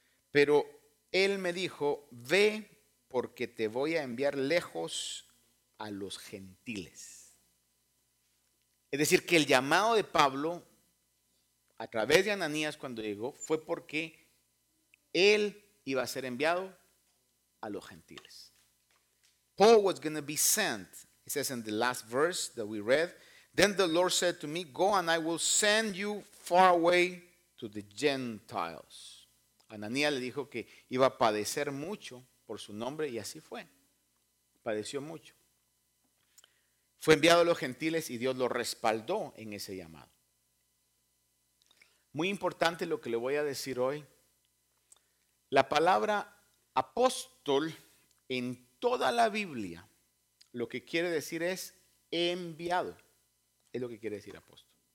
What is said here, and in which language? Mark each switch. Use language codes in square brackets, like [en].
[es] Pero él me dijo: ve, porque te voy a enviar lejos a los gentiles. Es decir, que el llamado de Pablo a través de Ananías cuando llegó fue porque él iba a ser enviado a los gentiles. [en] Paul was going to be sent. He says in the last verse that we read, then the Lord said to me, go and I will send you far away to the Gentiles. [es] Ananías le dijo que iba a padecer mucho por su nombre, y así fue. Padeció mucho. Fue enviado a los gentiles y Dios lo respaldó en ese llamado. Muy importante lo que le voy a decir hoy. La palabra apóstol en toda la Biblia lo que quiere decir es enviado. Es lo que quiere decir apóstol.